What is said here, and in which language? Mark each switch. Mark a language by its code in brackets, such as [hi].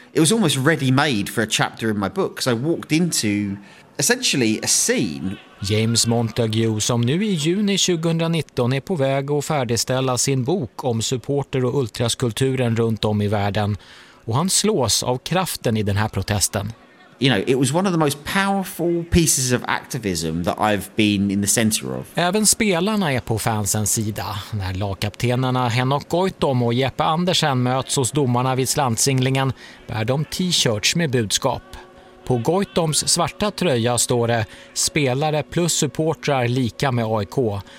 [en] It was almost ready made for a chapter in my book. So I walked into essentially a scene. [sv] James Montagu, som nu i juni 2019 är på väg att färdigställa sin bok om supporter- och ultraskulturen runt om i världen. Och han slås av kraften i den här protesten. [en] You know, it was one of the most powerful pieces of activism that I've been in the center of. [sv] Även spelarna är på fansens sida. När lagkaptenerna Henok Goitom och Jeppe Andersen möts hos domarna vid slantsinglingen bär de t-shirts med budskap. På Goitoms svarta tröja står det spelare plus supportrar lika med AIK.